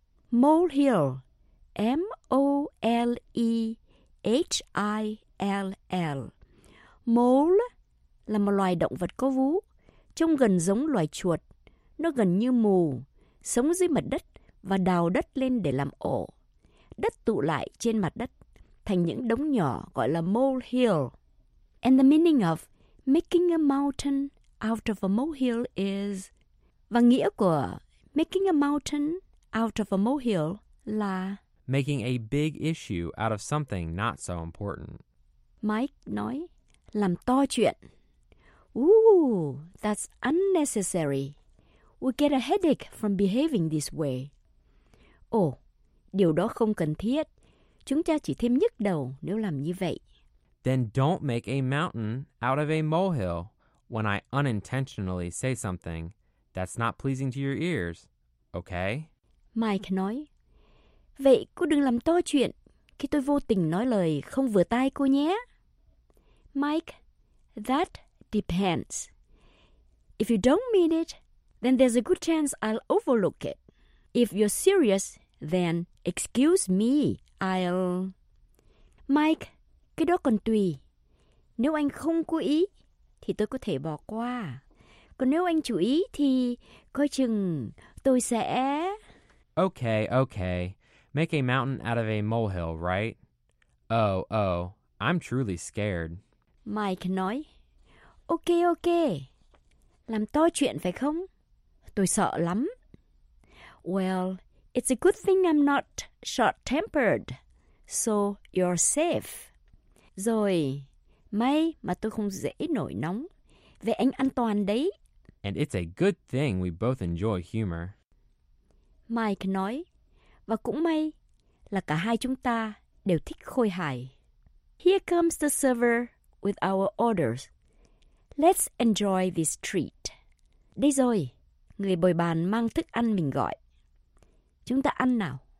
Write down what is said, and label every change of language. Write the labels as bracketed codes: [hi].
[en] Molehill, M-O-L-E-H-I-L-L. [vi] Mole là một loài động vật có vú, trông gần giống loài chuột. Nó gần như mù, sống dưới mặt đất và đào đất lên để làm ổ. Đất tụ lại trên mặt đất thành những đống nhỏ gọi là molehill. [en] And the meaning of making a mountain out of a molehill is... [vi] Và nghĩa của [en] making a mountain out of a molehill [vi] là... [en] Making a big issue out of something not so important. [vi] Mike nói, làm to chuyện. [en] Ooh, that's unnecessary. We get a headache from behaving this way. [vi] Oh, điều đó không cần thiết. Chúng ta chỉ thêm nhức đầu nếu làm như vậy. [en] Then don't make a mountain out of a molehill when I unintentionally say something that's not pleasing to your ears, okay? [vi] Mike nói, vậy cô đừng làm to chuyện khi tôi vô tình nói lời không vừa tai cô nhé. [en] Mike, that depends. If you don't mean it, then there's a good chance I'll overlook it. If you're serious, then excuse me, I'll... [vi] Mike, cái đó còn tùy. Nếu anh không cố ý, thì tôi có thể bỏ qua. Còn nếu anh chú ý thì coi chừng tôi sẽ... [en] Okay, okay. Make a mountain out of a molehill, right? Oh, oh. I'm truly scared. [vi] Mike nói. [en] Okay, okay. [vi] Làm to chuyện phải không? Tôi sợ lắm. [en] Well, it's a good thing I'm not short-tempered. So, you're safe. [vi] Rồi, may mà tôi không dễ nổi nóng. Vậy anh an toàn đấy. [en] And it's a good thing we both enjoy humor. [vi] Mike nói, và cũng may là cả hai chúng ta đều thích khôi hài. [en] Here comes the server with our orders. Let's enjoy this treat. [vi] Đây rồi, người bồi bàn mang thức ăn mình gọi. Chúng ta ăn nào.